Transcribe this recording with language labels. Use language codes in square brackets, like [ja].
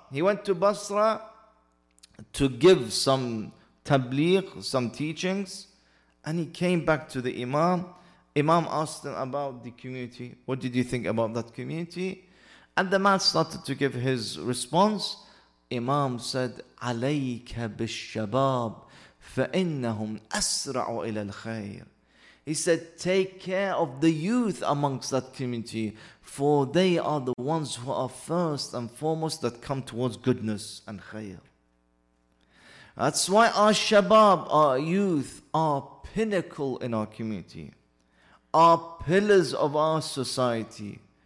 [en] He went to Basra to give some tabligh, some teachings, and he came back to the Imam. Imam asked him about the community. What did you think about that community? And the man started to give his response. Imam said, [ar] عَلَيْكَ بِالشَّبَابِ فَإِنَّهُمْ أَسْرَعُ إِلَى الْخَيْرِ. [en] He said, take care of the youth amongst that community, for they are the ones who are first and foremost that come towards goodness and khayr. That's why our shabab, our youth, are pinnacle in our community, are pillars of our society.